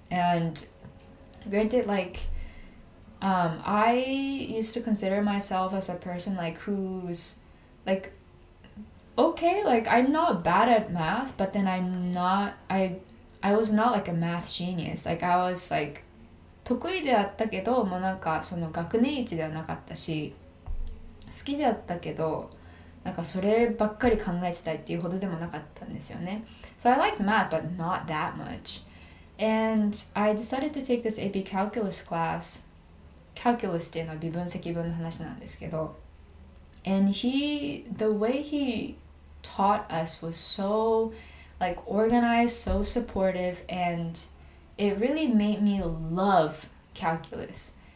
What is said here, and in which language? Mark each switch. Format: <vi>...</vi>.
<en>And granted, like, I used to consider myself as a person like who's like, okay, like, I'm not bad at math, but then I was not like a math genius.</en> <ja>Like, I was like 得意であったけど、もうなんかその学年一ではなかったし、好きであったけど、なんかそればっかり考えてたいっていうほどでもなかったんですよね。</ja> <en>So I liked math, but not that much. And I decided to take this AP Calculus class.</en> <ja>Calculus っていうのは微分積分の話なんですけど。</ja> <en>And the way he taught us was so like organized, so supportive, and it really made me love calculus.</en>